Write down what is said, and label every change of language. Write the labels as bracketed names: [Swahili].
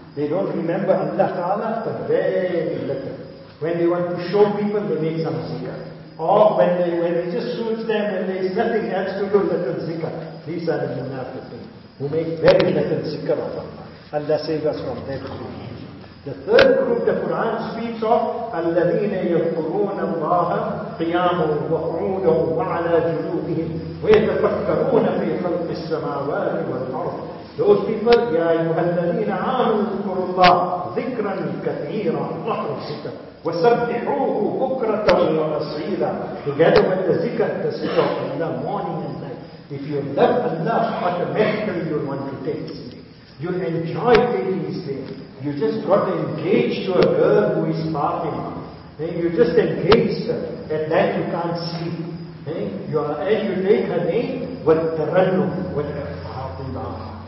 [English] They don't remember Allah Ta'ala, but very little. When they want to show people, they make some zikr. Or when it just suits them and there is nothing else to do, little zikr. These are the munafiqun who make very little zikr of Allah. Allah save us from that group. The third group the Quran speaks of, [Arabic] الَّذِينَ يَذْكُرُونَ اللَّهَ قِيَامًا وَقْعُودًا وَعَلَى جُنُوبِهِمْ وَيَتَفَكَّرُونَ فِي خَلْقِ السَّمَاوَاتِ وَالْأَرْضِ. [English] Those people, [Arabic] يَا أَيُّهَا الَّذِينَ آمَنُوا اذْكُرُوا اللَّهَ ذِكْرًا كَثِيرًا وَكَثِيرًا وَسَبِّحُوهُ بُكْرَةً وَأَصِيلًا. [English] Together with the zikr, the zikr of Allah, morning and night. If you love Allah, automatically you want to take His name. You enjoy taking His name. You just got engaged to a girl who is Fatima. Then you just engaged her. At night you can't sleep. You take her name with tarannum, with Fatima.